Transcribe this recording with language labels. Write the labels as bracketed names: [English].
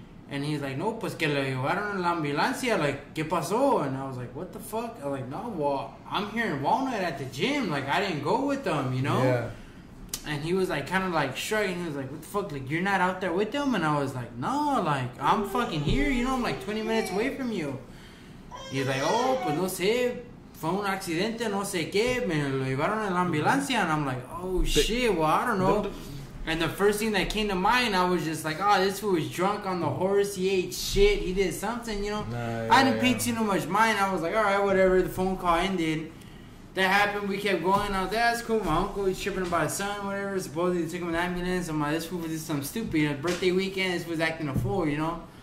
[English] And he's like, [Spanish] no, pues que lo llevaron a la ambulancia, like, ¿qué pasó? [English] And I was like, what the fuck? I'm like, no, well, I'm here in Walnut at the gym. Like, I didn't go with them, you know? Yeah. And he was, like, kind of, like, shrugging. He was like, what the fuck? Like, you're not out there with them? And I was like, no, like, I'm fucking here. You know, I'm, like, 20 minutes away from you. He's like, oh, [Spanish] pues no sé. Fue un accidente, no sé qué. Me lo llevaron a la ambulancia. [English] And I'm like, oh, shit. Well, I don't know. And the first thing that came to mind, I was just like, oh, this fool was drunk on the horse. He ate shit. He did something, you know. I didn't pay too much mind. I was like, all right, whatever. The phone call ended. That happened, we kept going, I was like, that's cool, my uncle, he's tripping about his son, whatever, supposedly took him in the ambulance, I'm like, this fool was just some stupid, you know, birthday weekend, this was acting a fool, you know?